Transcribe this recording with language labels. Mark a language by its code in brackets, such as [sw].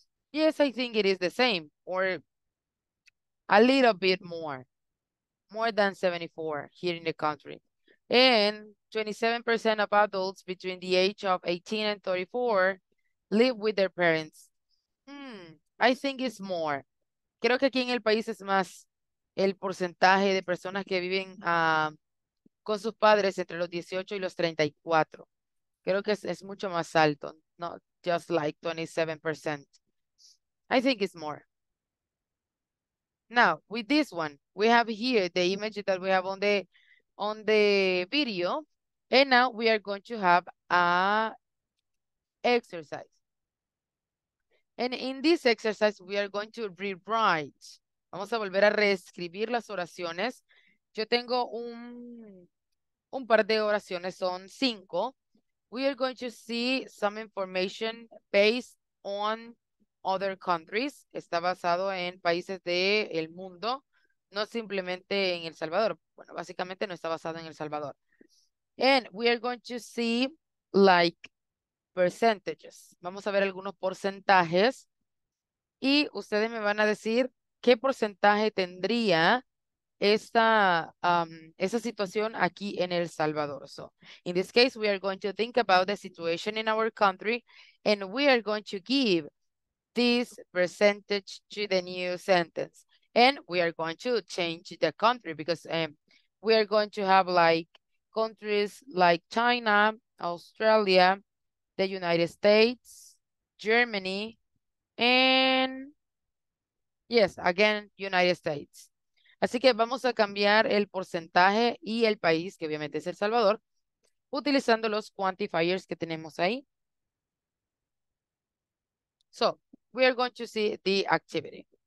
[en] Yes, I think it is the same or a little bit more than 74 here in the country. And 27% of adults between the age of 18 and 34 live with their parents. I think it's more. [es] Creo que aquí en el país es más el porcentaje de personas que viven con sus padres entre los 18 y los 34. Creo que es mucho más alto, [en] not just like 27%. I think it's more. Now, with this one, we have here the image that we have on the video. And now we are going to have a exercise. And in this exercise, we are going to rewrite. [es] Vamos a volver a reescribir las oraciones. Yo tengo un par de oraciones, son 5. [en] We are going to see some information based on other countries. [es] Está basado en países del mundo, no simplemente en El Salvador. Bueno, básicamente no está basado en El Salvador. [en] And we are going to see like percentages. [es] Vamos a ver algunos porcentajes y ustedes me van a decir qué porcentaje tendría esa situación aquí en El Salvador. [en] So, in this case, we are going to think about the situation in our country and we are going to give this percentage to the new sentence. And we are going to change the country because we are going to have like countries like China, Australia, the United States, Germany, and yes, again, United States. [es] Así que vamos a cambiar el porcentaje y el país, que obviamente es El Salvador, utilizando los quantifiers que tenemos ahí. [en] So, we are going to see the activity.